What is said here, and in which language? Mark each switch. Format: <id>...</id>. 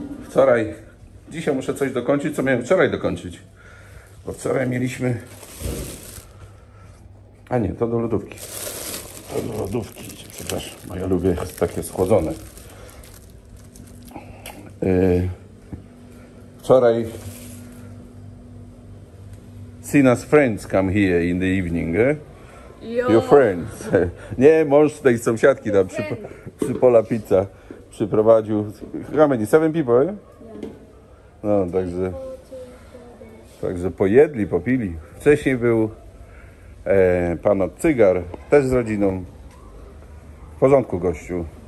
<pl>Wczoraj, dzisiaj muszę coś dokończyć, co miałem wczoraj dokończyć. Bo wczoraj mieliśmy... A nie, to do lodówki. To do lodówki, przepraszam, ja lubię takie schłodzone. Wczoraj</pl> <en>Sina's friends come here in the evening, eh? Your friends.</en> <pl>Nie, mąż tej sąsiadki tam przy pola pizza przyprowadził.</pl> <en>How many? 7 people, eh? Yeah.</en> <pl>No, także pojedli, popili. Wcześniej był pan od cygar, też z rodziną. W porządku, gościu.</pl>